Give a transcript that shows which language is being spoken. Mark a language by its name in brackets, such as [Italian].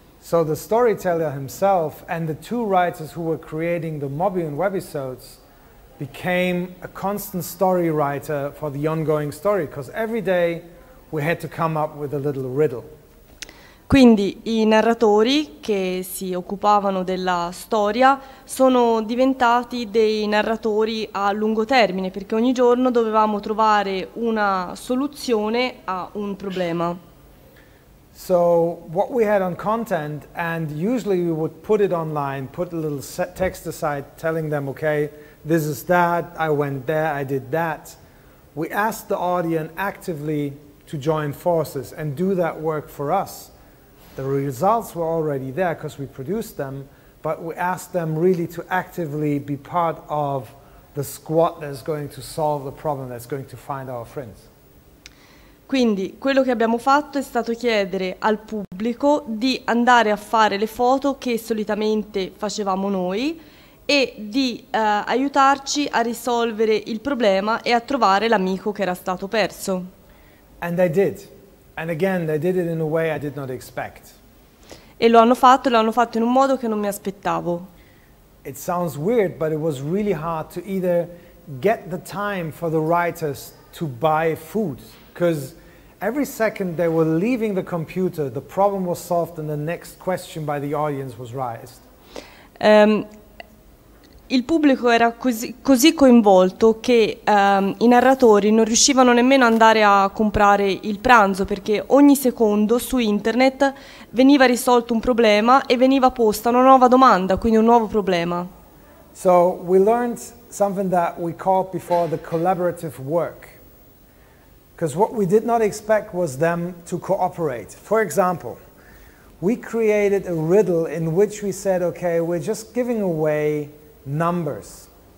[English] So the storyteller himself and the two writers who were creating the Mobian webisodes became a constant story writer for the ongoing story, because every day we had to come up with a little riddle. [Italian] Quindi i narratori che si occupavano della storia sono diventati dei narratori a lungo termine perché ogni giorno dovevamo trovare una soluzione a un problema. [English] So what we had on content, and usually we would put it online, put a little text aside telling them, okay, this is that, I went there, I did that. We asked the audience actively to join forces and do that work for us. The results were already there because we produced them, but we asked them really to actively be part of the squad that's going to solve the problem, that's going to find our friends. [Italian] Quindi quello che abbiamo fatto è stato chiedere al pubblico di andare a fare le foto che solitamente facevamo noi e di aiutarci a risolvere il problema e a trovare l'amico che era stato perso. [English] And they did. And again, they did it in a way I did not expect. [Italian] E lo hanno fatto in un modo che non mi aspettavo. [English] It sounds weird, but it was really hard to either get the time for the writers to buy food, because every second they were leaving the computer, the problem was solved and the next question by the audience was raised. [Italian] Il pubblico era così coinvolto che i narratori non riuscivano nemmeno ad andare a comprare il pranzo perché ogni secondo su internet veniva risolto un problema e veniva posta una nuova domanda, quindi un nuovo problema. [English] So we learned something that we called before the collaborative work. Because what we did not expect was them to cooperate. For example, we created a riddle in which we said, okay, we're just giving away numbers.